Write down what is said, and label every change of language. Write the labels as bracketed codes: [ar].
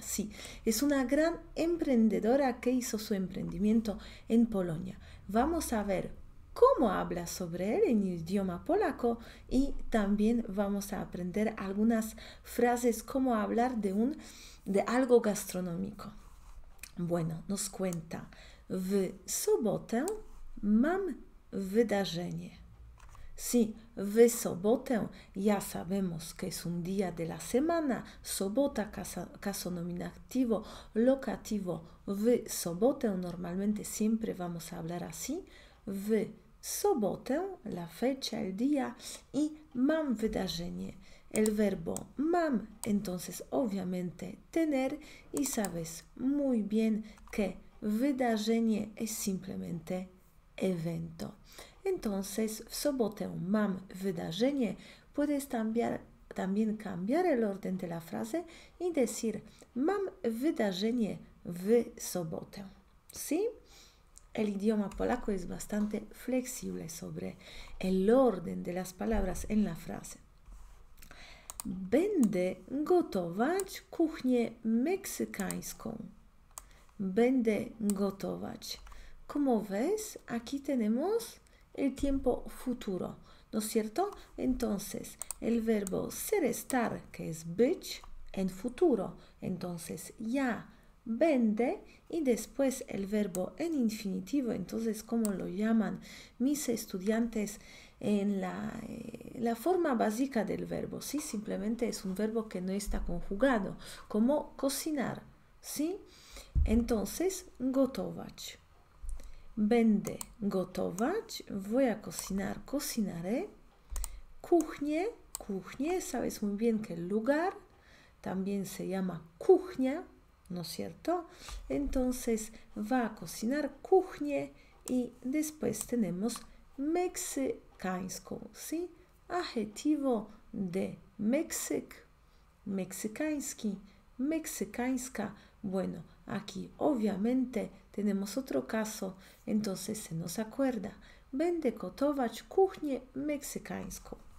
[es] Sí, es una gran emprendedora que hizo su emprendimiento en Polonia. Vamos a ver cómo habla sobre él en idioma polaco y también vamos a aprender algunas frases, cómo hablar de algo gastronómico. Bueno, nos cuenta. [pl] W sobotę mam wydarzenie. [es] Sí, [pl] ve sobotę, [es] ya sabemos que es un día de la semana. Sobota, caso nominativo, locativo. [pl] Ve sobotę, [es] normalmente siempre vamos a hablar así. [pl] Ve sobotę, [es] la fecha, el día. Y [pl] mam wydarzenie, [es] el verbo mam, entonces obviamente tener. Y sabes muy bien que wydarzenie es simplemente evento. Entonces, [pl] sobotę mam wydarzenie. [es] Puedes también cambiar el orden de la frase y decir [pl] mam wydarzenie w sobotę. [es] ¿Sí? El idioma polaco es bastante flexible sobre el orden de las palabras en la frase. [pl] Będę gotować kuchnię meksykańską. Będę gotować. [es] Como ves, aquí tenemos el tiempo futuro, ¿no es cierto? Entonces, el verbo ser estar, que es być, en futuro. Entonces, ya vende y después el verbo en infinitivo. Entonces, ¿cómo lo llaman mis estudiantes en la forma básica del verbo? Sí, simplemente es un verbo que no está conjugado, como cocinar, ¿sí? Entonces, gotować. [pl] Będę gotować, [es] voy a cocinar, cocinaré. [pl] Kuchnię, kuchnię, [es] sabes muy bien que el lugar también se llama kuchnia, ¿no es cierto? Entonces va a cocinar kuchnię y después tenemos meksykańską, ¿sí? Adjetivo de Mexic, [pl] meksykański, meksykańska. [es] Bueno, aquí obviamente tenemos otro caso, entonces se nos acuerda. [pl] Będę gotować kuchnię meksykańską.